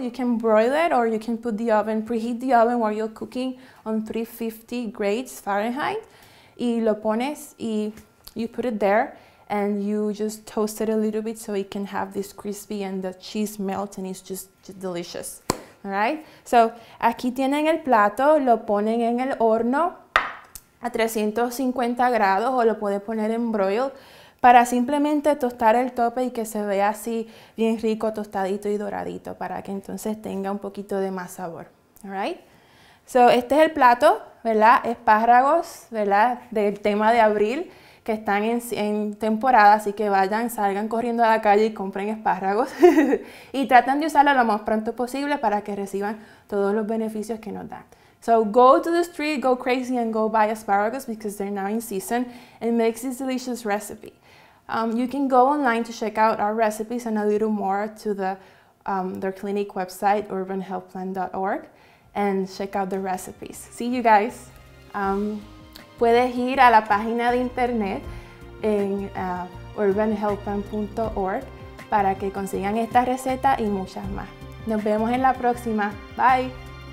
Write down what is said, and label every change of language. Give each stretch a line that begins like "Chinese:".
English: You can broil it or you can put the oven, preheat the oven while you're cooking on 350 degrees Fahrenheit.
Spanish: Y lo pones y
English: you put it there and you just toast it a little bit so it can have this crispy and the cheese melt and it's just delicious. All right?
Spanish: So, aquí tienen el plato, lo ponen en el horno a 350 grados o lo puedes poner en broil. Para simplemente tostar el tope y que se vea así bien rico, tostadito y doradito, para que entonces tenga un poquito de más sabor.
English: All right?
Spanish: So, este es el plato, ¿verdad? Espárragos, ¿verdad? Del tema de abril, que están en temporada, así que vayan, salgan corriendo a la calle y compren espárragos. Y traten de usarlo lo más pronto posible para que reciban todos los beneficios que nos dan.
English: So go to the street, go crazy, and go buy asparagus because they're now in season and makes this delicious recipe. You can go online to check out our recipes and a little more to their clinic website, urbanhealthplan.org, and check out the recipes. See you guys.
Spanish: Puedes ir a la página de internet en urbanhealthplan.org para que consigan esta receta y muchas más. Nos vemos en la próxima. Bye.